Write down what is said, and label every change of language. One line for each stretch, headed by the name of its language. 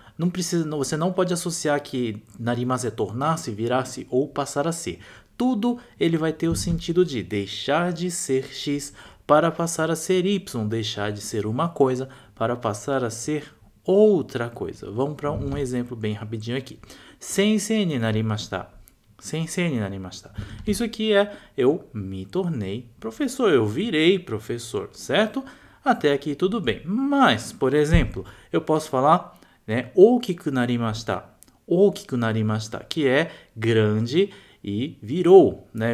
Portuguese: Não precisa, você não pode associar que narimas é tornar-se, virar-se ou passar a ser. Tudo ele vai ter o sentido de deixar de ser X para passar a ser Y, deixar de ser uma coisa para passar a ser outra coisa. Vamos para um exemplo bem rapidinho aqui.
Japanese: Sensei になりました.Sensei になりました.
Portuguese: Isso aqui é eu me tornei professor, eu virei professor, certo? Até aqui tudo bem. Mas, por exemplo, eu posso falar, né,
Japanese: 大きくなりました. 大きくなりました,
Portuguese: que é grande e virou, né?